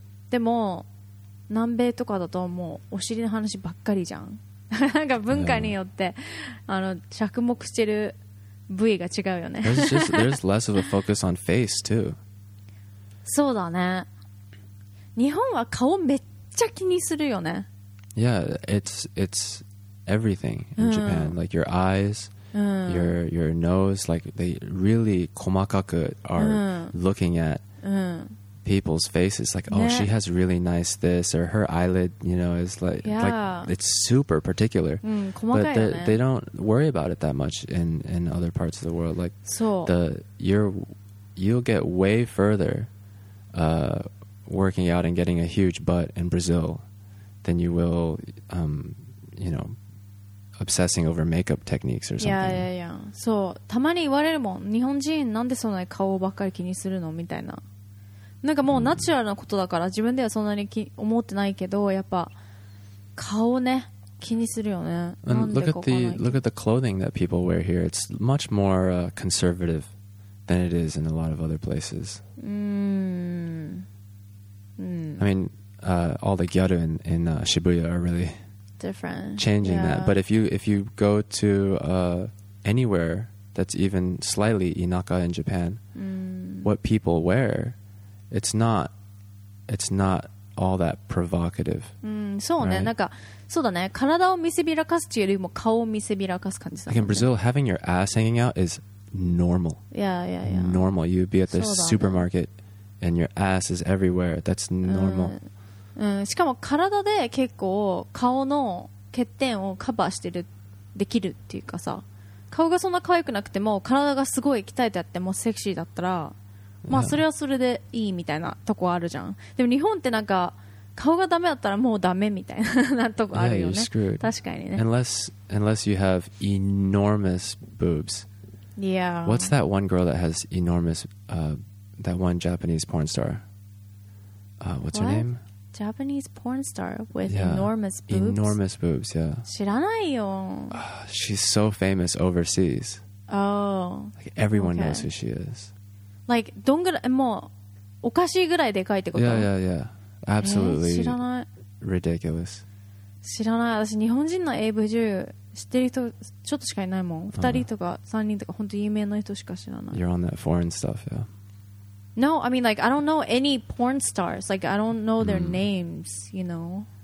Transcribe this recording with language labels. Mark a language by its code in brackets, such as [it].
[ja] でも南米とかだともうお尻の話ばっかりじゃん。なんか文化によって、あの着目してる部位が違うよね。 [en] there's less of a focus on face too. [ja] そうだね。日本は顔めっちゃ気にするよね。 [en] Yeah, it's everything in Japan.、Like your eyes,、your nose, like they really [ja] 細かく [en] are looking at、 people's faces, like, oh, she has really nice this, or her eyelid, you know, is like, like it's super particular. But they don't worry about it that much in other parts of the world. Like, you'll get way further working out and getting a huge butt in Brazil than you will, you know, obsessing over makeup techniques or something. [ja] So, たまに言われるもん。日本人なんでそんなに顔ばっかり気にするのみたいな。なんかもうナチュラルなことだから自分ではそんなに思ってないけど、やっぱ顔ね気にするよね。 [en] Look at the clothing that people wear here. It's much more conservative than it is in a lot of other places. I mean, all the gyaru in Shibuya are really different. Changing that, but if you go to anywhere that's even slightly inaka in Japan, what people wear. It's not all that provocative. So, like in Brazil, having your ass hanging out is normal. Normal. You'd be at the supermarket and your ass is everywhere. That's normal. [ja] しかも体で結構顔の欠点をカバーしてる、できるっていうかさ、顔がそんな可愛くなくても体がすごい鍛えてあってもセクシーだったら。まあそれはそれでいいみたいなとこあるじゃん。でも日本ってなんか顔がダメだったらもうダメみたいなとこあるよね。確かにね。 [en] Unless you have enormous boobs. Yeah. What's that one girl that has enormous, that one Japanese porn star? What's her name? Japanese porn star with enormous boobs? Enormous boobs, yeah. [ja] 知らないよ。 [en] She's so famous overseas. Oh. Like everyone knows who she is. [ja] Like, どんぐらい、もう、おかしいぐらいでかいってこと? [en] Yeah, yeah, yeah. Absolutely. [ja] 知らない。 [en] Ridiculous. [ja] 知らない。私、日本人の AV 女優知ってる人、ちょっとしかいないもん。 2人とか3人とか、本当有名な人しか知らない。 [en] You're on that foreign stuff, yeah. No, I mean, like, I don't know any porn stars. Like, I don't know their names, you know?